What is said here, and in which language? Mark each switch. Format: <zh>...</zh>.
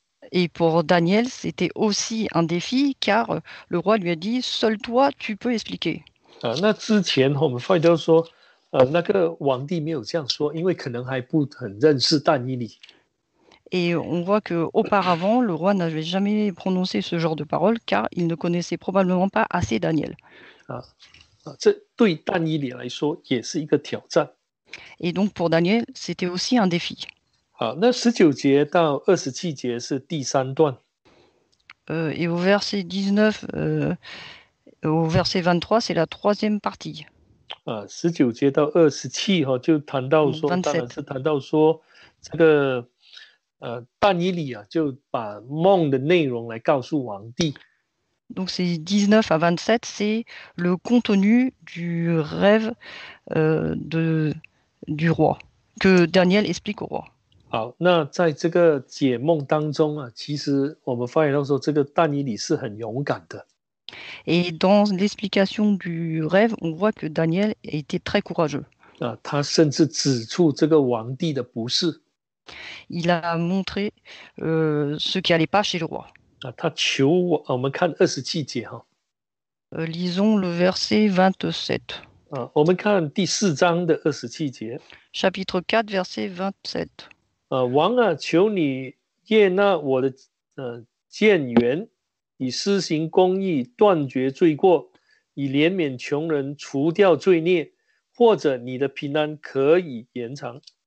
<fr>Et pour Daniel, c'était aussi un défi, car le roi lui a dit, seul toi, tu peux expliquer.</fr> <zh>啊，那之前我们发觉说，那个王帝没有这样说，因为可能还不很认识但以理。</zh> <fr>Et on voit que auparavant, le roi n'avait jamais prononcé ce genre de parole, car il ne connaissait probablement pas assez Daniel.</fr> <zh>啊，这对但以理来说也是一个挑战。</zh> <fr>Et donc pour Daniel, c'était aussi un défi.</fr> <zh>好，那十九节到二十七节是第三段。</zh> <fr>Et au verset 19, au verset 23, c'est la troisième partie.</fr> <zh>啊，十九节到二十七哈，就谈到说，当然是谈到说这个但以理啊，就把梦的内容来告诉王帝。</zh> <fr>Donc c'est 19 à 27, c'est le contenu du rêve du roi, que Daniel explique au roi.</fr> <zh>好，那在这个解梦当中啊，其实我们发现到说，这个但以理是很勇敢的。</zh> <fr>Et dans l'explication du rêve, on voit que Daniel était très courageux.</fr> <zh>啊，他甚至指出这个王帝的不是。</zh> <fr>Il a montré ce qui n'allait pas chez le roi.</fr> <zh>啊，他求我，我们看二十七节哈。</zh> <fr>Lisons le verset 27.</fr> <zh>啊、我们看第四章的二十七节。</zh> <fr>Chapitre 4, verset 27.</fr> <zh>王啊，求你悦纳我的谏言，以施行公义，断绝罪过，以怜悯穷人，除掉罪孽，或者你的平安可以延长。</zh>